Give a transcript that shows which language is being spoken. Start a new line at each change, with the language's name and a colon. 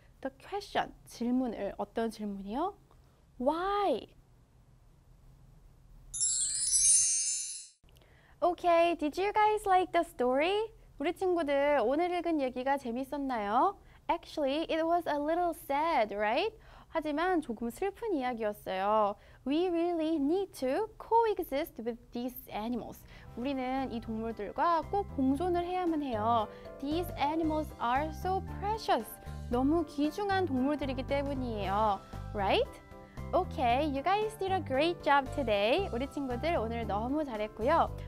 English: The question,
Korean: 질문을. 어떤 질문이요?
English: Why? Okay, did you guys like the story?
Korean: 우리 친구들 오늘 읽은 얘기가 재밌었나요?
English: Actually, it was a little sad, right?
Korean: 하지만 조금 슬픈 이야기였어요.
English: We really need to coexist with these animals.
Korean: 우리는 이 동물들과 꼭 공존을 해야만 해요.
English: These animals are so precious.
Korean: 너무 귀중한 동물들이기 때문이에요.
English: Right? Okay, you guys did a great job today.
Korean: 우리 친구들 오늘 너무 잘했고요.